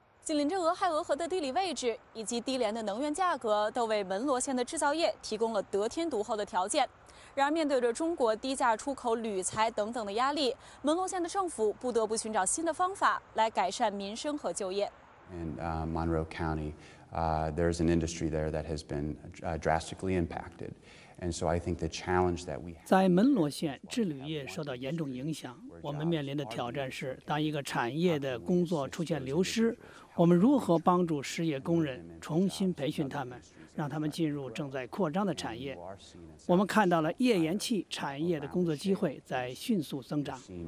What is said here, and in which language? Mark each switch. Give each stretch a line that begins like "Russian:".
Chinese: 紧邻着俄亥俄河的地理位置以及低廉的能源价格，都为门罗县的制造业提供了得天独厚的条件。然而，面对着中国低价出口铝材等等的压力，门罗县的政府不得不寻找新的方法来改善民生和就业。
English: In Monroe County, there's an industry there that has been drastically impacted, and so I think the challenge that we
Chinese: 在门罗县制铝业受到严重影响，我们面临的挑战是，当一个产业的工作出现流失，我们如何帮助失业工人重新培训他们，让他们进入正在扩张的产业？我们看到了页岩气产业的工作机会在迅速增长。